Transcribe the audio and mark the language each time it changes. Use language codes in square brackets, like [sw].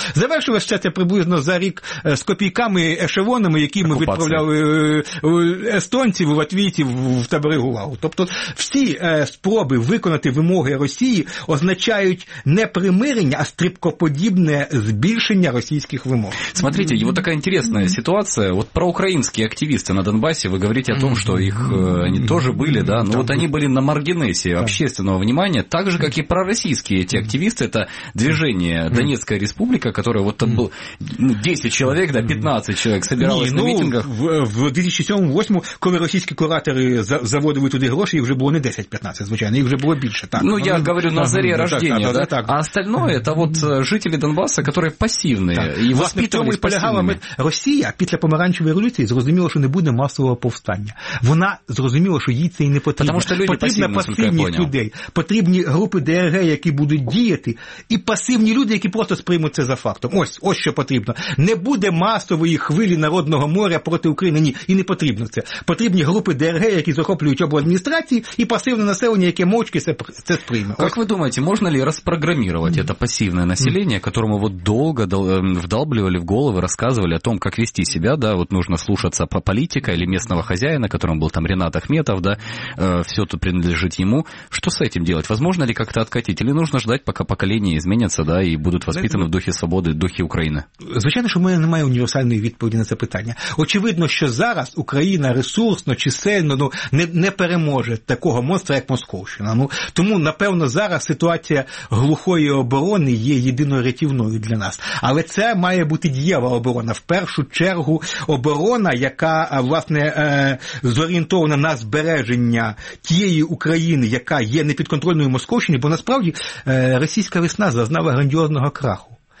[uk] Завершилось все це приблизно за рік з копійками, ешелонами, які ми відправляли естонців, латвійців в табори ГУЛАГу. Тобто всі спроби виконати вимоги Росії означають не примирення, а стрибкоподібне збільшення російських вимог. [ru] Смотрите, вот такая интересная ситуация. Вот про украинские активисты на Донбассе вы говорите о том, что их они тоже были, да, но вот они были на маргинесе общественного внимания, так же, как и пророссийские эти активисты. Это движение Донецкая Республика, которое вот там был 10 человек, да, 15 человек собиралось на митингах. [uk] В 2007-2008, коли російські куратори заводили туди гроші, їх вже було не 10-15, звичайно, їх вже було більше. Так. [ru] Ну, я говорю на зарі рождения, да? А остальное, [uk] це вот жителі Донбасса, які пасивні, і воспитувались пасивними. Росія після помаранчевої революції зрозуміла, що не буде масового повстання. Вона зрозуміла, що їй це і не потрібно. Тому що люди пасивні, пасивність людей. Потрібні групи ДРГ, які будуть діяти, і пасивні люди, які просто сприймуть це за фактом. Ось що потрібно. Не буде масової хвилі народного моря проти України, ні, і не потрібно це. Потрібні групи ДРГ, які захоплюють обладміністрації, і пасивне населення, яке мовчки це сприйме. Як ви думаєте, можна ли розпрограмувати це пасивне населення, якому вот довго вдалблювали в голови, розказували о том, як вести себе, [ru] да, вот нужно слушаться політика или местного хозяина, которым был там Ренат Ахметов, да, все тут принадлежит ему. Что с этим делать? Возможно ли как-то откатить? Или нужно ждать, пока поколения изменятся, да, и будут воспитаны в духе свободы, в духе Украины? [uk] Звичайно, що в мене немає універсальної відповіді на це питання. Очевидно, що зараз Україна ресурсно, чисельно не переможе такого монстра, як Московщина. Ну, тому, напевно, зараз ситуація глухої оборони є єдиною рятівною для нас. Але це має бути дієва оборона. В першу чергу оборона, яка, власне, зорієнтована на збереження тієї України, яка є непідконтрольною Московщині, бо насправді російська весна зазнала грандіозного краху.